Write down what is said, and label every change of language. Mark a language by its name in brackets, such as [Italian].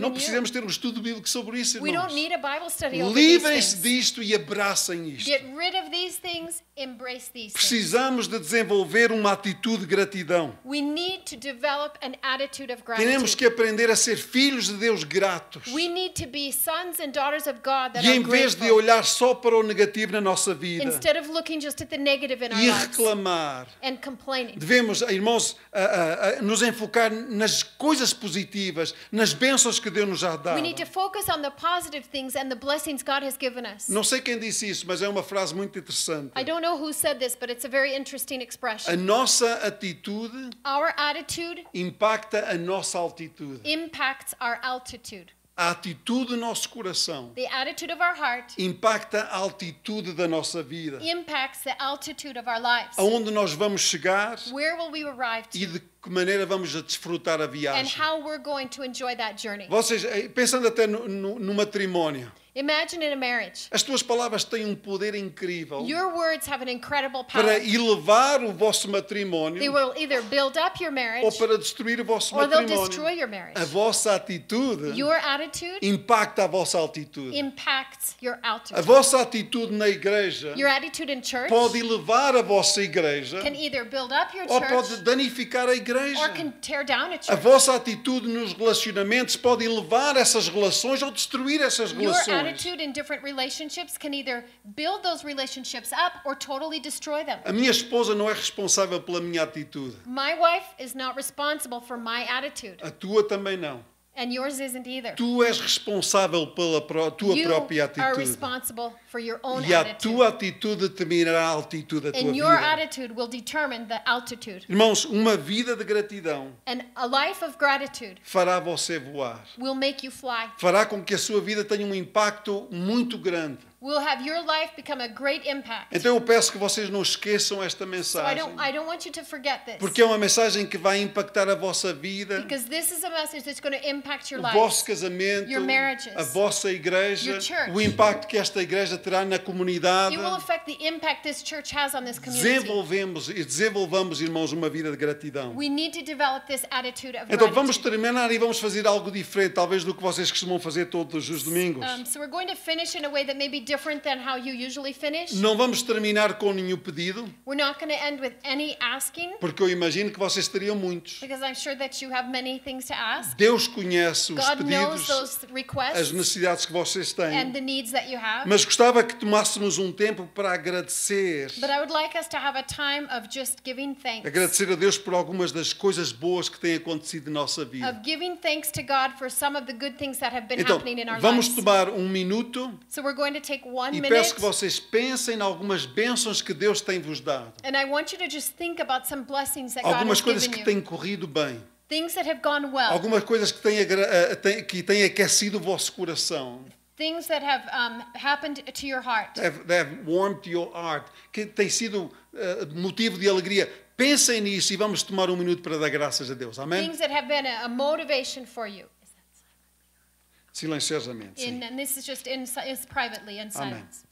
[Portuguese] Não precisamos ter um estudo bíblico sobre isso, irmãos. [English] We don't need a Bible study over [Portuguese] Livrem-se disto e abracem isto. [English] Get rid of these things, embrace these [Portuguese] Precisamos [English] things. [Portuguese] De desenvolver uma atitude de gratidão. [English] We need to develop an attitude of gratitude. [Portuguese] Temos que aprender a ser filhos de Deus gratos. [English] We need to be sons and daughters of God that [Portuguese] E em vez de olhar só para o negativo na nossa vida. [English] Instead of looking just at the negative in our [Portuguese] E reclamar. [English] And complain. [Portuguese] Devemos, irmãos, nos enfocar nas coisas positivas, nas bênçãos que Deus nos já dá. [English] We need to focus on the positive things and the blessings God has given us. [Portuguese] Não sei quem disse isso, mas é uma frase muito interessante. [English] I don't know who said this, but it's a very interesting expression. [Portuguese] A nossa atitude, [English] our attitude, [Portuguese] impacta a nossa altitude. [English] Impacts our altitude. [Portuguese] A atitude do nosso coração [English] the attitude of our heart [Portuguese] impacta a altitude da nossa vida. [English] Impacts the altitude of our lives. [Portuguese] Aonde nós vamos chegar [English] Where will we arrive to? [Portuguese] E de que maneira vamos a desfrutar a viagem. [English] And how we're going to enjoy that journey. [Portuguese] Vocês, pensando até no matrimónio. [English] Imagine in a marriage. [Portuguese] As tuas palavras têm um poder incrível. [English] Your words have an incredible power. [Portuguese] Para elevar o vosso matrimónio. [English] They will either build up your marriage. [Portuguese] Ou para destruir o vosso [English] or [Portuguese] matrimónio. [English] They'll destroy your marriage. [Portuguese] A vossa atitude. [English] Your attitude. [Portuguese] Impacta a vossa altitude. [English] Impacts your altitude. [Portuguese] A vossa atitude na igreja. [English] Your attitude in church. [Portuguese] Pode elevar a vossa igreja. [English] Can either build up your [Portuguese] ou [English] church. [Portuguese] Pode danificar a igreja. [English] Or can tear down a church. [Portuguese] A vossa atitude nos relacionamentos pode elevar essas relações ou destruir essas relações. [English] Your attitude in different relationships can either build those relationships up or totally destroy them. [Portuguese] A minha esposa não é responsável pela minha atitude. [English] My wife is not responsible for my attitude. [Portuguese] A tua também não. [English] And yours isn't either. [Portuguese] Tu és responsável pela tua [English] you [Portuguese] própria atitude. [English] You are responsible for your own [Portuguese] e [English] attitude. [Portuguese] E a tua atitude determinará a altitude da tua vida. [English] And your attitude will determine the altitude. [Portuguese] Irmãos, uma vida de gratidão. [English] And a life of gratitude. [Portuguese] Fará você voar. [English] Will make you fly. [Portuguese] Fará com que a sua vida tenha um impacto muito grande. [English] will have your life become a great impact. [Portuguese] Então eu peço que vocês não esqueçam esta mensagem. [English] I don't want you to forget this. [Portuguese] Porque é uma mensagem que vai impactar a vossa vida. [English] Because this is a message that's going to impact your life. [Portuguese] O vosso casamento, [English] your marriages, [Portuguese] a vossa igreja, [English] your church. [Portuguese] O impacto que esta igreja terá na comunidade. [English] It will affect the impact this church has on this community. [Portuguese] Desenvolvemos e desenvolvamos, irmãos, uma vida de gratidão. [English] We need to develop this attitude of gratitude. [Portuguese] Então vamos terminar e vamos fazer algo diferente, talvez do que vocês costumam fazer todos os domingos. [English] So we're going to finish in a way that maybe different than how you usually finish. [Portuguese] Não vamos terminar com nenhum pedido. [English] We're not going to end with any asking. [Portuguese] Porque eu imagino que vocês teriam muitos. [English] Because I'm sure that you have many things to ask. [Portuguese] Deus conhece os [English] God [Portuguese] pedidos, [English] knows those requests, [Portuguese] as necessidades que vocês têm. [English] And the needs that you have. [Portuguese] Mas gostava que tomássemos um tempo para agradecer. [English] But I would like us to have a time of just giving thanks. [Portuguese] Agradecer a Deus por algumas das coisas boas que têm acontecido na nossa vida. [English] Of giving thanks to God for some of the good things that have been [Portuguese] então, [English] happening in our lives. [Portuguese] Vamos tomar um minuto. [English] So we're going to take one minute. [Portuguese] E peço que vocês pensem em algumas bênçãos que Deus tem vos dado. [English] And I want you to just think about some blessings that [Portuguese] algumas [English] God has given you. [Portuguese] Algumas coisas que têm corrido bem. [English] Things that have gone well. [Portuguese] Algumas coisas que têm aquecido o vosso coração. [English] Things that have happened to your heart. That have warmed your heart. [Portuguese] Que têm sido motivo de alegria. Pensem nisso e vamos tomar um minuto para dar graças a Deus. Amém? [English] Things that have been a motivation for you. [Portuguese] Silenciosamente. Sim. [English] And this is just it's privately in silence.